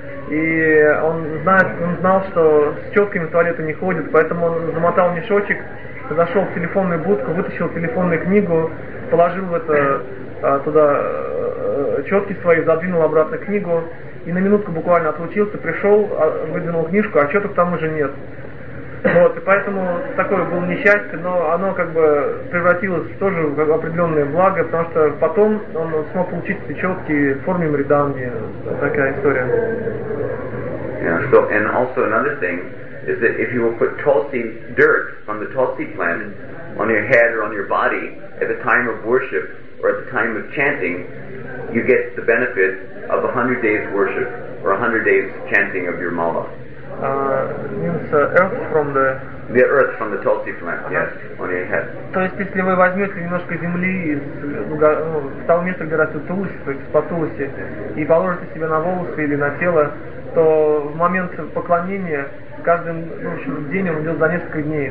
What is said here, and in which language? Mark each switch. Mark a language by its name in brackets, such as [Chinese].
[Russian] И он знал, что с четками в туалеты не ходят, поэтому он замотал мешочек, зашел в телефонную будку, вытащил телефонную книгу, положил туда четки свои, задвинул обратно книгу и на минутку буквально отлучился, пришел, выдвинул книжку, а четок там уже нет. Вот, и поэтому такое было несчастье, но оно как бы превратилось тоже в определенное благо, потому что потом он смог получить эти четки в форме мриданги. Такая история. [English] Yeah, so, and also another thing is that if you will put tulsi dirt from the tulsi plant on your head or on your body at the time of worship or at the time of chanting, you get the benefit of 100 days worship or 100 days chanting of your mala. Means earth from the tulsi plant, yes, on your head. [Russian] То есть если вы возьмете немножко земли из того места, где растет тулуси, то есть по тулуси, и положите себе на волосы или на тело, что в момент поклонения каждый, ну, в общем, день он идет за несколько дней.